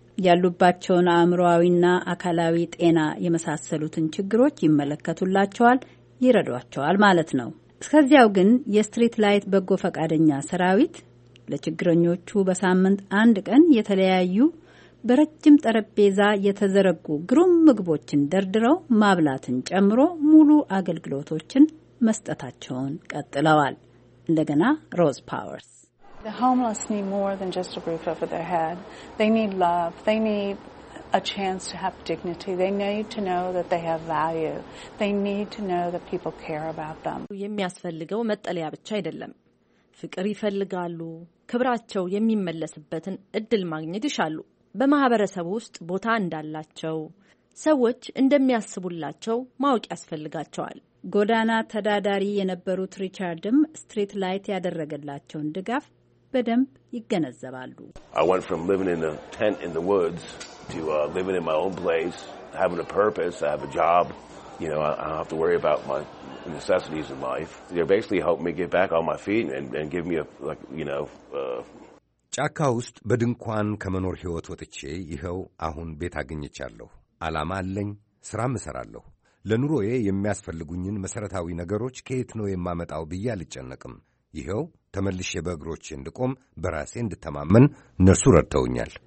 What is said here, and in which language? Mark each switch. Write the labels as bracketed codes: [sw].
[am] ያሉባቸውን አእምሮአዊና አካላዊ ጤና የመሳሰሉትን ችግሮች ይመለከቱላቸዋል፣ ይረዷቸዋል ማለት ነው። እስከዚያው ግን የስትሪት ላይት በጎ ፈቃደኛ ሰራዊት ለችግረኞቹ በሳምንት አንድ ቀን የተለያዩ በረጅም ጠረጴዛ የተዘረጉ ግሩም ምግቦችን ደርድረው ማብላትን ጨምሮ ሙሉ አገልግሎቶችን መስጠታቸውን ቀጥለዋል። እንደገና ሮዝ ፓወርስ [en] The homeless need more than just a roof over their head. They need love. They need a chance to have dignity. They need to know that they have value. They need to know that people care about them. [am] የሚያስፈልገው መጠለያ ብቻ አይደለም። ፍቅር ይፈልጋሉ። ክብራቸው የሚመለስበትን እድል ማግኘት ይሻሉ። በማህበረሰብ ውስጥ ቦታ እንዳላቸው ሰዎች እንደሚያስቡላቸው ማወቅ ያስፈልጋቸዋል። ጎዳና ተዳዳሪ የነበሩት ሪቻርድም ስትሪት ላይት ያደረገላቸውን ድጋፍ በደንብ ይገነዘባሉ። [en] I went from living in a tent in the woods to living in my own place having a purpose, I have a job, you know, I don't have to worry about my necessities in life. They basically helped me get back on my feet and give me a, like, you know... [am] ጫካ ውስጥ በድንኳን ከመኖር ህይወት ወጥቼ ይኸው አሁን ቤት አገኘቻለሁ። አላማ አለኝ፣ ስራም እሰራለሁ። ለኑሮዬ የሚያስፈልጉኝን መሰረታዊ ነገሮች ከየት ነው የማመጣው ብዬ አልጨነቅም። ይኸው ተመልሼ በእግሮቼ እንድቆም በራሴ እንድተማመን ነርሱ ረድተውኛል።